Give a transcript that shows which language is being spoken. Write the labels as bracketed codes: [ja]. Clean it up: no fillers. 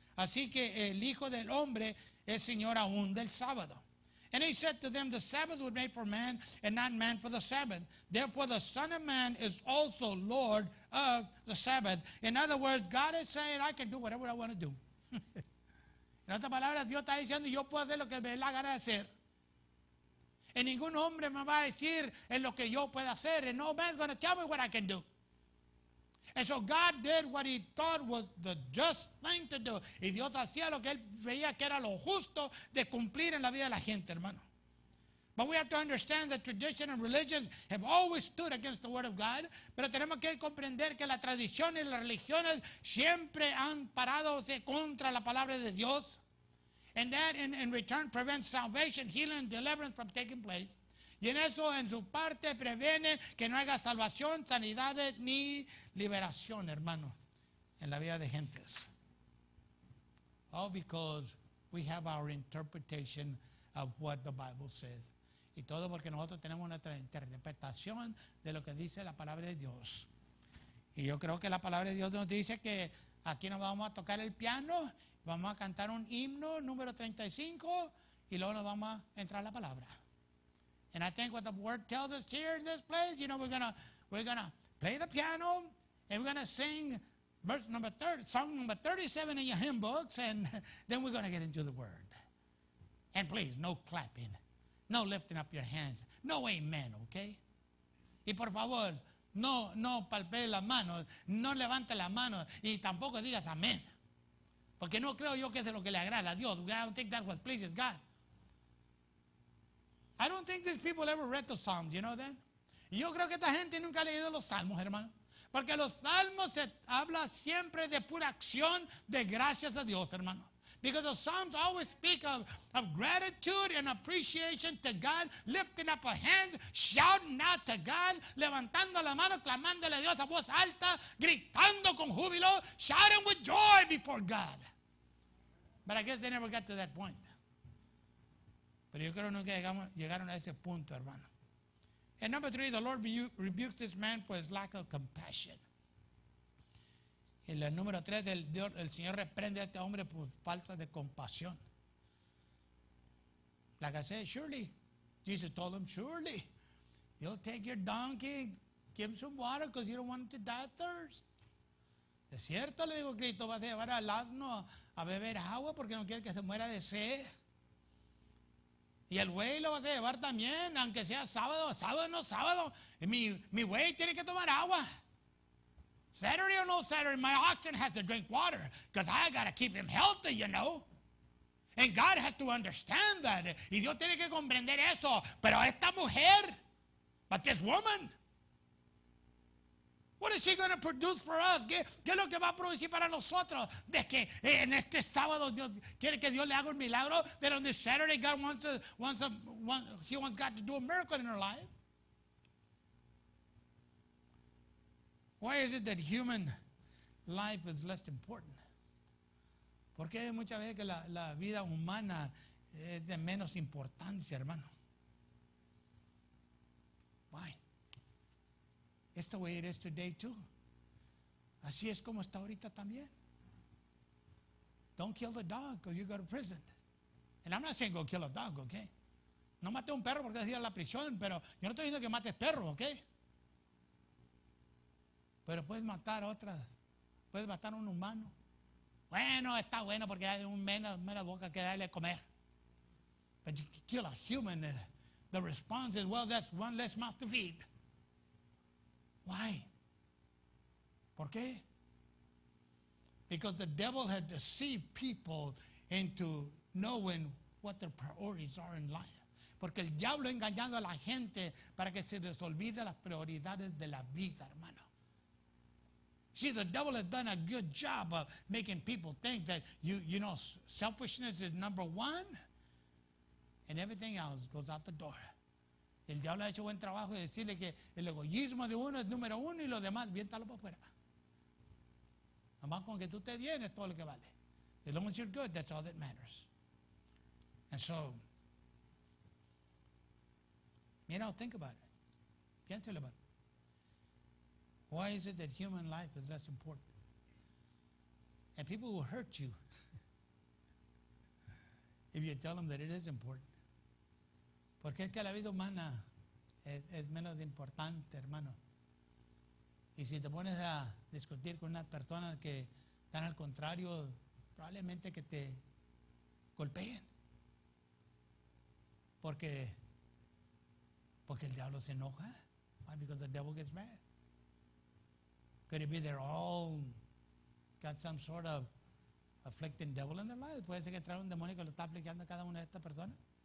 [es] Así que el Hijo del Hombre es Señor aún del sábado. [en] And he said to them, the Sabbath was made for man, and not man for the Sabbath. Therefore, the Son of Man is also Lord of the Sabbath. In other words, God is saying, I can do whatever I want to do. [es] En otras palabras, Dios está diciendo, yo puedo hacer lo que me dé la gana de hacer. Y ningún hombre me va a decir en lo que yo pueda hacer. [en] And no man's going to tell me what I can do. And so God did what he thought was the just thing to do. [es] Y Dios hacía lo que él veía que era lo justo de cumplir en la vida de la gente, hermano. [en] But we have to understand that tradition and religions have always stood against the word of God. [es] Pero tenemos que comprender que la tradición y las religiones siempre han parado contra la palabra de Dios. [en] And that in return prevents salvation, healing, and deliverance from taking place. [es] Y en eso, en su parte, previene que no haya salvación, sanidades, ni liberación, hermano, en la vida de gentes. [en] All because we have our interpretation of what the Bible says. [es] Y todo porque nosotros tenemos nuestra interpretación de lo que dice la palabra de Dios. Y yo creo que la palabra de Dios nos dice que aquí nos vamos a tocar el piano, vamos a cantar un himno número 35 y luego nos vamos a entrar a la palabra. [en] And I think what the word tells us here in this place, you know, we're gonna play the piano and we're gonna sing song number 37 in your hymn books, and then we're gonna get into the word. And please, no clapping, no lifting up your hands, no amen, okay? [es] Y por favor, no palpe la mano, no levante la mano y tampoco digas amén. Porque no creo yo que es lo que le agrada a Dios. [en] I don't think that's what pleases God. I don't think these people ever read the Psalms, you know that? [es] Yo creo que esta gente nunca ha leído los Salmos, hermano. Porque los Salmos se habla siempre de pura acción de gracias a Dios, hermano. [en] Because the Psalms always speak of gratitude and appreciation to God, lifting up our hands, shouting out to God, [es] levantando la mano, clamándole a Dios a voz alta, gritando con júbilo, [en] shouting with joy before God. But I guess they never got to that point. [es] Pero yo creo nunca llegaron a ese punto, hermano. [en] And number three, the Lord rebukes this man for his lack of compassion. [es] En el número tres, el Señor reprende a este hombre por falta de compasión. [en] Like I said, surely, Jesus told him, surely, you'll take your donkey, give him some water because you don't want him to die of thirst. [es] De cierto, le digo, Cristo, vas a llevar al asno a beber agua porque no quiere que se muera de sed. Y el güey lo vas a llevar también, aunque sea sábado, sábado no sábado. Mi güey tiene que tomar agua. [en] Saturday or no Saturday, my oxen has to drink water because I got to keep him healthy, you know. And God has to understand that. [es] Y Dios tiene que comprender eso. Pero esta mujer, [en] but this woman, what is she going to produce for us? [es] ¿Qué es lo que va a producir para nosotros? De que en este sábado Dios quiere que Dios le haga un milagro. [en] That on this Saturday God wants God to do a miracle in her life. Why is it that human life is less important? [es] Porque hay muchas veces que la vida humana es de menos importancia, hermano. [en] Why? It's the way it is today too. [es] Así es como está ahorita también. [en] Don't kill the dog or you go to prison. And I'm not saying go kill a dog, okay? [es] No mate un perro porque es ir a la prisión, pero yo no estoy diciendo que mates perro, ¿ok? Pero puedes matar otras, puedes matar a un humano. Bueno, está bueno porque hay un menos boca que darle a comer. [en] But you kill a human, the response is, well, that's one less mouth to feed. Why? [es] ¿Por qué? [en] Because the devil has deceived people into knowing what their priorities are in life. [es] Porque el diablo ha engañado a la gente para que se les olvide las prioridades de la vida, hermano. [en] See, the devil has done a good job of making people think that, you know, selfishness is number one and everything else goes out the door. [es] El diablo ha hecho buen trabajo de decirle que el egoísmo de uno es número uno y lo demás, viéntalo para afuera. Nomás con que tú te vienes, todo lo que vale. [en] As long as you're good, that's all that matters. And so, you know, think about it. [es] Piénselo, hermano. [en] Why is it that human life is less important? And people will hurt you if you tell them that it is important. [es] ¿Por qué es que la vida humana es menos importante, hermano? Y si te pones a discutir con una persona que están al contrario, probablemente que te golpeen. Porque el diablo se enoja. [en] Why? Because the devil gets mad. Could it be they're all got some sort of afflicting devil in their lives? [es] ¿Puede ser que trae un demonio que lo está aplicando a cada una de estas personas?